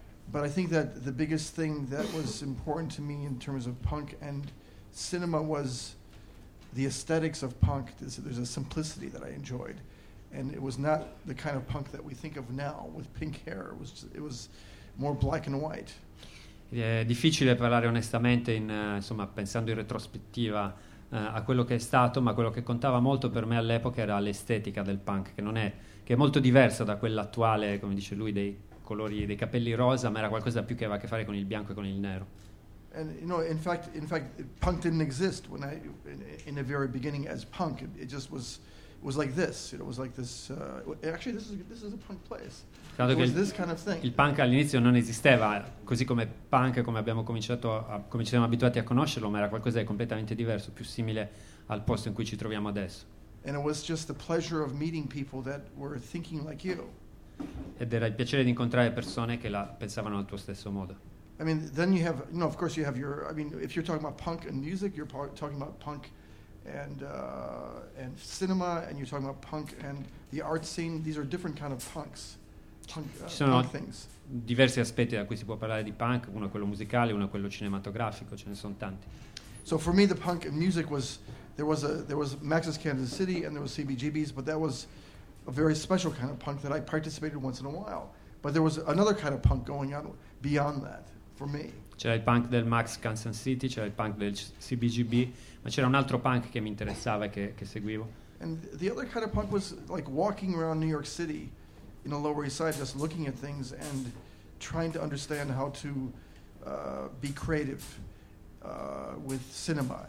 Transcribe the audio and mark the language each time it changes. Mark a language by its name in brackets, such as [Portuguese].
[English] But I think that the biggest thing that was important to me in terms of punk and cinema was the aesthetics of punk. There's a simplicity that I enjoyed, and it was not the kind of punk that we think of now with pink hair. It was more black and white. [Italian] È difficile parlare onestamente insomma pensando in retrospettiva a quello che è stato, ma quello che contava molto per me all'epoca era l'estetica del punk, che è molto diversa da quella attuale, come dice lui, dei colori dei capelli rosa, ma era qualcosa più che aveva a che fare con il bianco e con il nero. [English] And you know, in fact punk didn't exist when I in the very beginning as punk. It was like this, you know, it was like this, actually this is a punk place. It was this kind of thing. [Italian] Il punk all'inizio non esisteva, così come punk, come abbiamo cominciato a, come ci siamo abituati a conoscerlo, ma era qualcosa di completamente diverso, più simile al posto in cui ci troviamo adesso. [English] And it was just the pleasure of meeting people that were thinking like you. [Italian] Ed era il piacere di incontrare persone che la pensavano al tuo stesso modo. [English] I mean, then you have, you know, of course you have your, I mean, if you're talking about punk and music, you're talking about punk and cinema, and you're talking about punk and the art scene. These are different kind of punks. [Italian] Ci sono diversi aspetti da cui si può parlare di punk, uno è quello musicale, uno è quello cinematografico, ce ne sono tanti. [English] So for me the punk and music was there was Max's Kansas City and there was CBGB's, but that was a very special kind of punk that I participated once in a while. But there was another kind of punk going on beyond that for me. [Italian] C'era il punk del Max Kansas City, c'era il punk del CBGB, ma c'era un altro punk che mi interessava e che seguivo. [English] And the other kind of punk was like walking around New York City in the Lower East Side, just looking at things and trying to understand how to be creative with cinema.